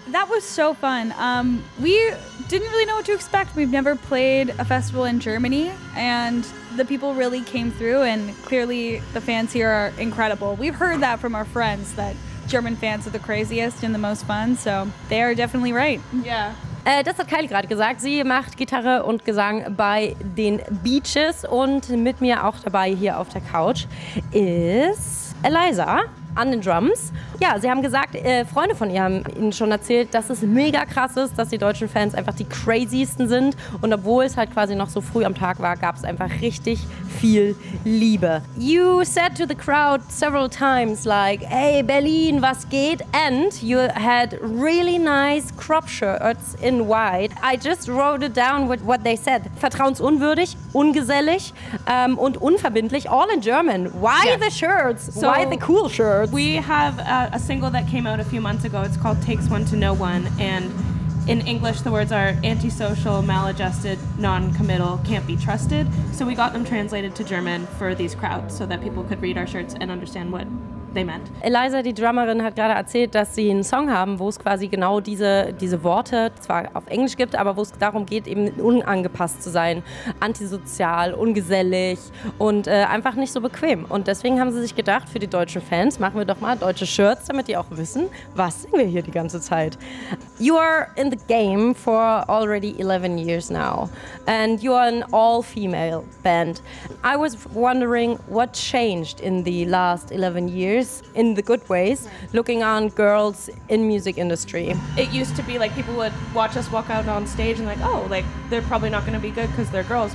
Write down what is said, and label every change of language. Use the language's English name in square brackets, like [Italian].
[English] That was so fun. We didn't really know what to expect. We've never played a festival in Germany, and the people really came through, and clearly the fans here are incredible. We've heard that from our friends, that German fans are the craziest and the most fun, so they are definitely right. Yeah. [German] Das hat Kylie gerade gesagt. Sie macht Gitarre und Gesang bei den Beaches und mit mir auch dabei hier auf der Couch ist Eliza an den Drums. Ja, sie haben gesagt, Freunde von ihr haben ihnen schon erzählt, dass es mega krass ist, dass die deutschen Fans einfach die crazysten sind. Und obwohl es halt quasi noch so früh am Tag war, gab es einfach richtig viel Liebe. [English] You said to the crowd several times like, hey Berlin, [German] was geht? [English] And you had really nice crop shirts in white. I just wrote it down with what they said. [German] Vertrauensunwürdig, ungesellig und unverbindlich. [English] All in German. Why the shirts? So why the cool shirts? We have a single that came out a few months ago. It's called Takes One to Know One, and in English the words are antisocial, maladjusted, non-committal, can't be trusted. So we got them translated to German for these crowds so that people could read our shirts and understand what they meant. [German] Eliza, die Drummerin, hat gerade erzählt, dass sie einen Song haben, wo es quasi genau diese Worte zwar auf Englisch gibt, aber wo es darum geht, eben unangepasst zu sein, antisozial, ungesellig und einfach nicht so bequem. Und deswegen haben sie sich gedacht, für die deutschen Fans machen wir doch mal deutsche Shirts, damit die auch wissen, was singen wir hier die ganze Zeit. [English] You are in the game for already 11 years now and you are an all-female band. I was wondering what changed in the last 11 years. In the good ways, looking on girls in music industry. It used to be like people would watch us walk out on stage and like, oh, like they're probably not going to be good because they're girls.